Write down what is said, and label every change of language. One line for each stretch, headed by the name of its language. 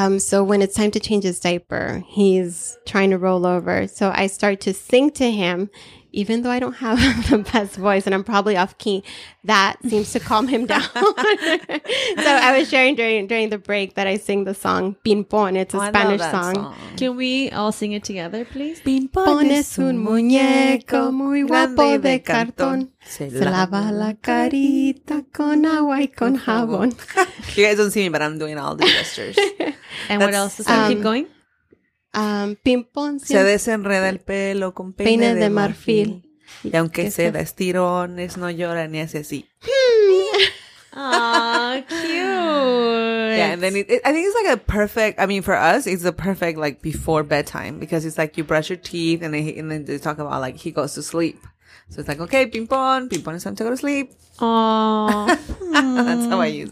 English: So when it's time to change his diaper, he's trying to roll over. So I start to sing to him, even though I don't have the best voice and I'm probably off key. That seems to calm him down. So I was sharing during the break that I sing the song Pimpon. It's a Spanish song. Can we all sing it together, please?
Spanish: Pimpon es un muñeco muy guapo de cartón. Se lava la carita con agua y con jabón.
English: You guys don't see me, but I'm doing all the gestures. And what else? Does that keep going?
Spanish: Pimpon se desenreda el pelo con peine de marfil. Y aunque se da estirones, no llora ni hace así.
English: Aww, cute. Yeah, and then I think it's like a perfect, for us, it's a perfect like before bedtime, because it's like you brush your teeth and then they talk about like he goes to sleep. So it's like, okay, ping pong, it's time to go to sleep. Aww. That's how I use it.